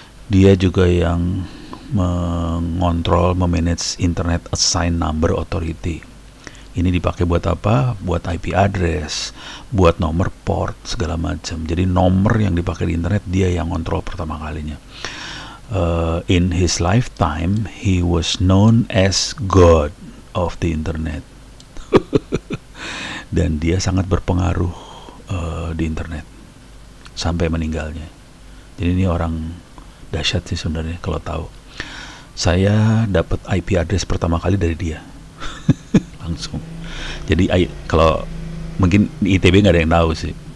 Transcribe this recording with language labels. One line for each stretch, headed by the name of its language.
Indonesian: Dia juga yang mengontrol, memanage Internet Assigned Number Authority. Ini dipakai buat apa? Buat IP address, buat nomor port, segala macam. Jadi nomor yang dipakai di internet, dia yang kontrol pertama kalinya.
English: In his lifetime, he was known as God of the Internet.
Indonesian: Dan dia sangat berpengaruh di internet sampai meninggalnya. Jadi ini orang dahsyat sih sebenarnya kalau tahu. Saya dapat IP address pertama kali dari dia. Langsung. Jadi kalau mungkin ITB nggak ada yang tahu sih.